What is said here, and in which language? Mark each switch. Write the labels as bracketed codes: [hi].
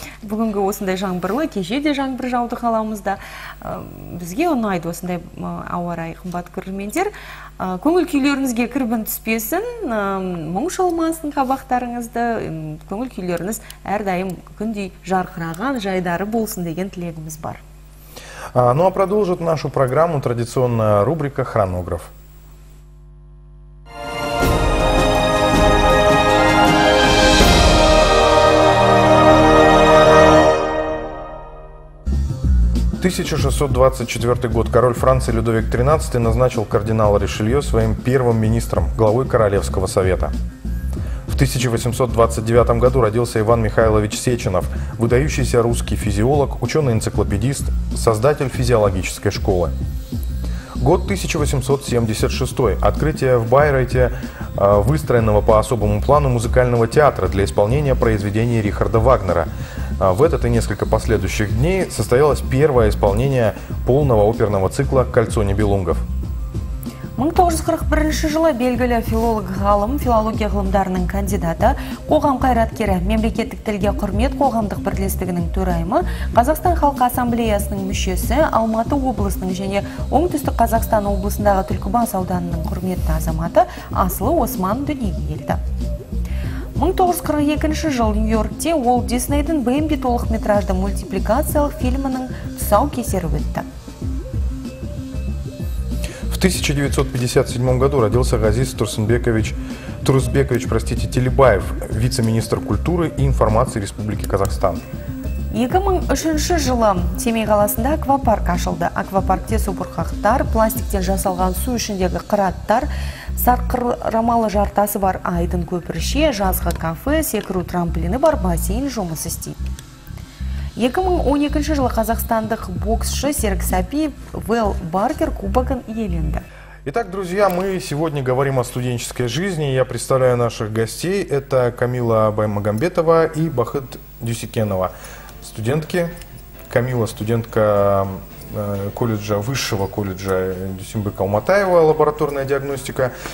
[kk] Бүгінгі осындай жаңбырлы, кеше де жаңбыр жауды қаламызда. Бізге ұнайды осындай ауарай, қымбат көрермендер. Көңіл күйлеріңізге кірбін түспесін, мұң шалмасын қабақтарыңызды, көңіл күйлеріңіз әрдайым күндей жарқыраған жайдары болсын деген тілегіміз бар. [ru] Ну а продолжит нашу программу традиционная рубрика «Хронограф». В 1624 год король Франции Людовик XIII назначил кардинала Ришелье своим первым министром, главой Королевского совета. В 1829 году родился Иван Михайлович Сеченов, выдающийся русский физиолог, ученый-энциклопедист, создатель физиологической школы. Год 1876. Открытие в Байройте выстроенного по особому плану музыкального театра для исполнения произведений Рихарда Вагнера. В этот и несколько последующих дней состоялось первое исполнение полного оперного цикла «Кольцо Нибелунгов». [kk] 1941 жылы белгілі филолог-ғалым, филология ғылымдарының кандидаты, қоғам қайраткері, мемлекеттік тілге құрмет қоғамдық бірлестігінің төрайымы, Қазақстан халқы ассамблеясының мүшесі, Алматы облысының және оңтүстік Қазақстан облысындағы Түлкібас ауданының құрметті азаматы Асылы Осман дүниеге келді. 1942 екінші жыл Нью-Йоркте ол Диснейдің Бэмби толық метражды мультипликациялық фильмінің тұсау кесері өтті. [ru] В 1957 году родился Газиз Турсынбекович, Телебаев, вице-министр культуры и информации Республики Казахстан. [kk] 2003 жылы Семей қаласында аквапарк ашылды. Аквапаркте субұрқақтар, пластиктен жасалған су ішіндегі қыраттар, сарқырамалы жартасы бар айдын көпірше, жазғы кафе, секіру трамплины бар бассейн жұмыс істейді. 2012 жылы қазақстандық боксшы Серік Сәпиев Вэл Баркер кубогын иеленді. [ru] Итак, друзья, мы сегодня говорим о студенческой жизни. Я представляю наших гостей. Это Камила Баймагамбетова и Бахыт Дюсекенова. Студентки. Камила — студентка колледжа, высшего колледжа Дюсенбек Алматаева, лабораторная диагностика.